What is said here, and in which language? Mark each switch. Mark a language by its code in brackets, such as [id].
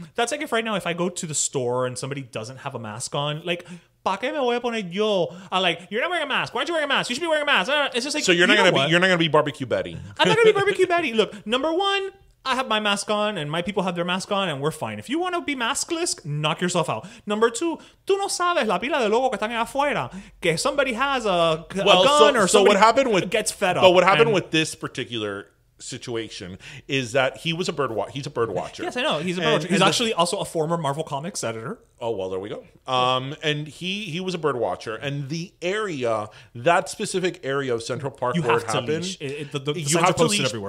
[en] That's like if right now if I go to the store and somebody doesn't have a mask on, like. You're not wearing a mask. Why aren't you wearing a mask? You should be wearing a mask. It's just like so. You're not gonna be barbecue Betty. I'm not gonna be barbecue Betty. Look, number one, I have my mask on, and my people have their mask on, and we're fine. If you want to be maskless, knock yourself out. Number two, [es] tú no sabes la pila de locos que están afuera. [en] Que somebody has a gun, or somebody gets fed up. But what happened with this particular situation is that he was a bird watch. He's a bird watcher. Yes, I know. He's a bird watcher. He's also a former Marvel Comics editor. Oh, well, there we go. And he was a bird watcher. And the area, that specific area of Central Park where it happened, you have to leash everywhere.